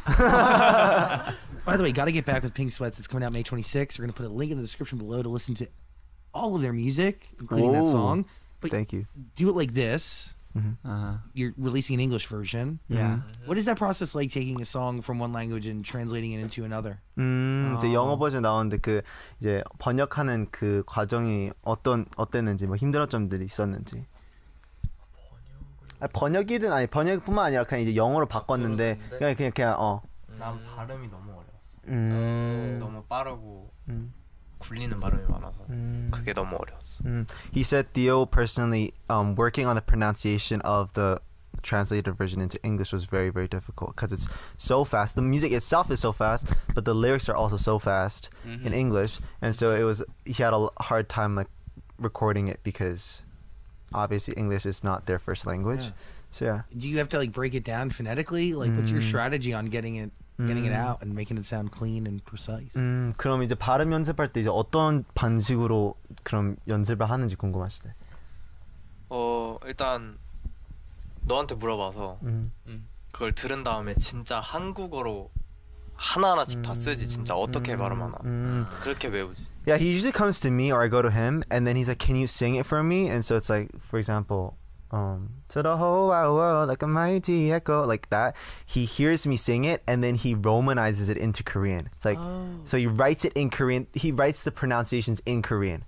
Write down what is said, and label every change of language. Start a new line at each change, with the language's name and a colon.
English: By the way, Gotta Get Back with Pink Sweats. It's coming out May 26th. We're going to put a link in the description below to listen to all of their music, including that song. But thank you. Do it like this. You're releasing an English version. What is that process like, taking a song from one language and translating it into another?
Korean: 이제 영어 버전 나오는데 그 이제 번역하는 그 과정이 어땠는지 뭐 힘들어 점들이 있었는지. 번역이든 아니 번역뿐만 아니라 그냥 이제 영어로 바꿨는데 그냥 난 발음이 너무 어려웠어. 너무 빠르고 굴리는 발음이 많아서 그게 너무 어려웠어.
English: He said Theo personally working on the pronunciation of the translated version into English was very very difficult because it's so fast. The music itself is so fast, but the lyrics are also so fast in English, and so it was he had a hard time like recording it because obviously English is not their first language. So yeah, do you have to like break it down phonetically, like what's your strategy on getting it getting it out and making it sound clean and precise?
Korean: 그럼 이제 발음 연습할 때 이제 어떤 방식으로 그럼 연습을 하는지 궁금하시대. 일단 너한테 물어봐서 그걸 들은 다음에 진짜 한국어로 하나하나씩 다 쓰지. 진짜 어떻게 발음하나 그렇게 외우지.
English: Yeah, he usually comes to me or I go to him and then he's like, can you sing it for me? And so it's like, for example, to the whole wide world, like a mighty echo, like that. He hears me sing it and then he romanizes it into Korean. It's like, so he writes it in Korean. He writes the pronunciations in Korean.